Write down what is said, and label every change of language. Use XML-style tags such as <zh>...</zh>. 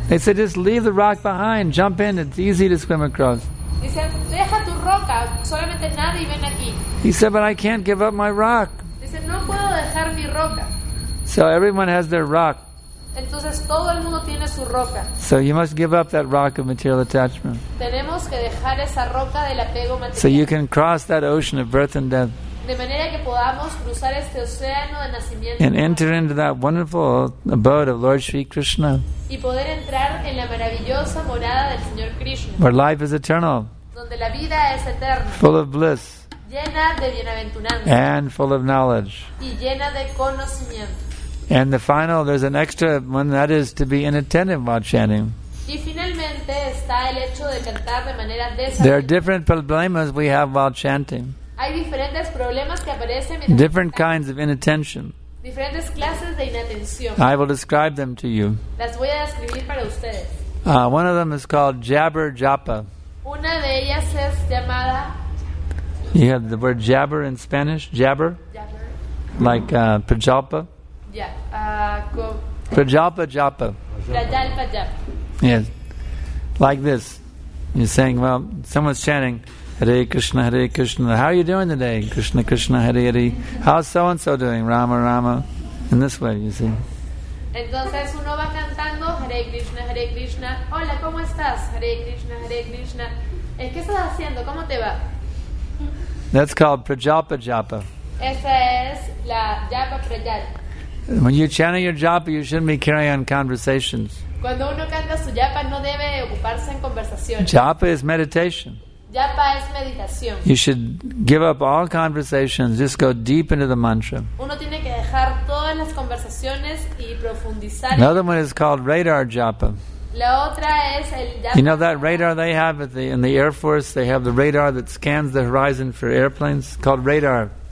<en>They said, just leave the rock behind, jump in, it's easy to swim across. He said,</en> <es>deja tu roca, solamente nada y ven aquí.</es> <en>He said, but I can't give up my rock. He said,</en> <es>no puedo dejar mi roca.</es> <en>So everyone has their rock.</en> <es>Entonces todo el mundo tiene su roca.</es> <en>So you must give up that rock of material attachment.</en> <es>Tenemos que dejar esa roca del apego material.</es> <en>So you can cross that ocean of birth and death.</en> <es>De manera que podamos cruzar este océano de nacimiento.</es> <en>And enter into that wonderful abode of Lord Sri Krishna.</en> <es>Y poder entrar en la maravillosa morada del Señor Krishna.</es> <en>Where life is eternal.</en> <es>Donde la vida es eterna.</es> <en>Full of bliss.</en> <es>Llena de bienaventuranza.</es> <en>And full of knowledge.</en> <es>Y llena de conocimiento.</es> <en>And the final, there's an extra one, that is to be inattentive while chanting.</en> <es>Y finalmente está el hecho de cantar de manera desatenta.</es> <en>There are different problemas we have while chanting.</en> <es>Hay diferentes problemas que aparecen mientras</es> <en>different kinds of inattention.</en> <es>Diferentes clases de inatención.</es> <en>I will describe them to you.</en> <es>Las voy a describir para ustedes.</es> <en>One of them is called jabber japa.</en> <es>Una de ellas es llamada.</es> <en>You have the word jabber in Spanish, jabber. Jabber. Like pajalpa. Yeah. Pajalpa japa. Pajalpa japa. Yes. Like this. You're saying, well, someone's chanting. Hare Krishna, Hare Krishna. How are you doing today? Krishna, Krishna, Hare Hare. How's so-and-so doing? Rama, Rama. In this way, you see.</en> <es>Entonces uno va cantando Hare Krishna, Hare Krishna. Hola, ¿cómo estás? Hare Krishna, Hare Krishna. ¿Qué estás haciendo? ¿Cómo te va?</es> <en>That's called prajalpa japa.</en> <es>Esa es la japa prajal.</es> <en>When you're chanting your japa, you shouldn't be carrying on conversations.</en> <es>Cuando uno canta su japa, no debe ocuparse en conversaciones.</es> <en>Japa is meditation.</en> <es>Japa es meditación.</es> <en>You should give up all conversations, just go deep into the mantra.</en> <es>Uno tiene que dejar todas las conversaciones y profundizar.</es> <en>Another one is called radar japa.</en> <es>La otra es el japa.</es> <en>You know that radar they have in the Air Force, they have the radar that scans the horizon for airplanes, called radar.</en>